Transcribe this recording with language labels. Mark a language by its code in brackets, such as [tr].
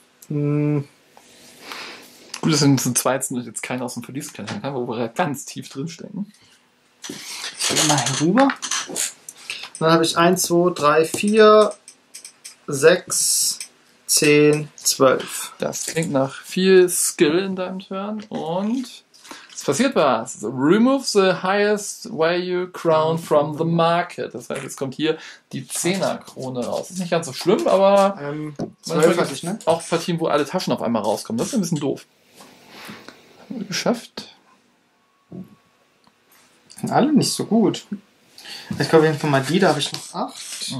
[de] Gut, dass wir zu zweit sind und jetzt keiner aus dem Verlies klettern kann, wo wir ganz tief drinstecken. Ich gehe mal herüber. Dann habe ich 1, 2, 3, 4, 6, 10, 12. Das klingt nach viel Skill in deinem Turn und es passiert was. [en] So, remove the highest value crown from the market. [de] Das heißt, jetzt kommt hier die 10er-Krone raus. Ist nicht ganz so schlimm, aber 12 hatte ich, ne? Auch Partien, wo alle Taschen auf einmal rauskommen. Das ist ein bisschen doof. Geschafft. Sind alle nicht so gut. Ich glaube, jedenfalls mal die, da habe ich noch 8.